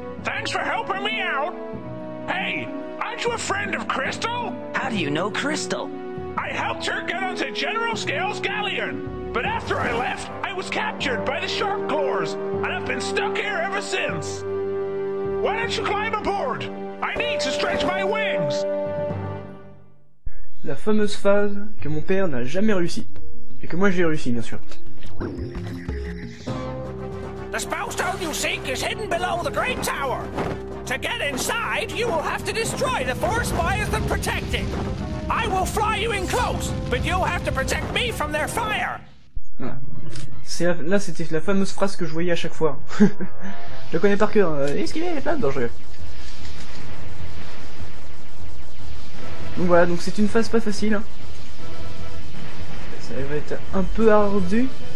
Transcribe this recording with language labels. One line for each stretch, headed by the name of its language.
English: Thanks for helping me out. Hey, aren't you a friend of Crystal? How do you know Crystal? I helped her get onto General Scale's galleon. But after I left, I was captured by the Shark Claws, and I've been stuck here ever since. Why don't you climb aboard? I need to stretch my wings.
French: La fameuse phase que mon père n'a jamais réussi. Et que moi j'ai réussi, bien sûr.
English: The spellstone you seek is hidden below the Great Tower. To get inside, you will have to destroy the four spires that protect it. I will fly you in close, but you'll have to protect me from their fire.
French: C'est la, là, c'était la fameuse phrase que je voyais à chaque fois. Je connais par cœur. Esquiver les flammes dangereuses. Donc voilà, donc c'est une phase pas facile. Hein. Ça va être un peu ardu.